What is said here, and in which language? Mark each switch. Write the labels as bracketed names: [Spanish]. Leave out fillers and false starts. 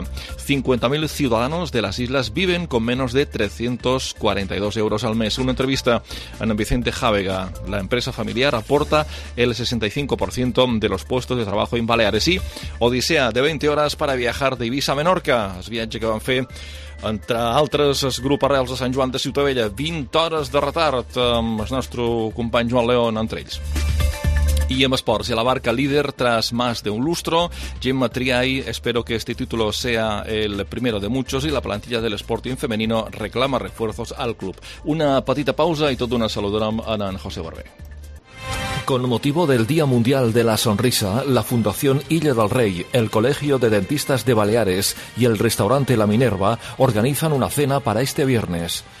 [Spanish] 50.000 ciudadanos de las islas viven con menos de 342 euros al mes. Una entrevista a Vicente Jávega. La empresa familiar aporta el 65% de los puestos de trabajo en Baleares. Y odisea de 20 horas para viajar de Ibiza a Menorca. [Catalan] Es viatge que van fer, entre altres, el grup Arrels de Sant Joan de Ciutadella. 20 hores de retard amb el nostre company Joan León entre ells. I en esports, i [Spanish] la Barca líder tras más de un lustro. Gemma Triay, espero que este título sea el primero de muchos, y la plantilla del Sporting femenino reclama refuerzos al club. [Catalan] Una petita pausa i tot d'una saludarem a en José Barbé. [Spanish] Con motivo del Día Mundial de la Sonrisa, la Fundación Illa del Rey, el Colegio de Dentistas de Baleares y el restaurante La Minerva organizan una cena para este viernes.